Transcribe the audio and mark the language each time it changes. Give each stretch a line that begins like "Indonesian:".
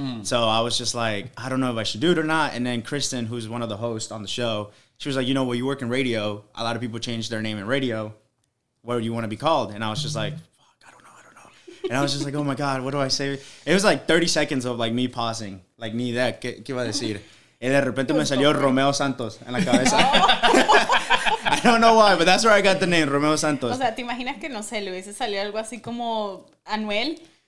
English: So I was just like, I don't know if I should do it or not. And then Kristen, who's one of the hosts on the show, she was like, you know, well, you work in radio. A lot of people change their name in radio. What do you want to be called? And I was just like, fuck, I don't know. And I was just like, oh my God, what do I say? It was like 30 seconds of like me pausing. Like,
Spanish: ni idea, ¿qué iba a decir? Y de repente me salió Romeo Santos en la cabeza.
English: I don't know why, but that's where I got the name, Romeo Santos.
Spanish: O sea, ¿te imaginas que no sé, le hubiese salido algo así como Anuel?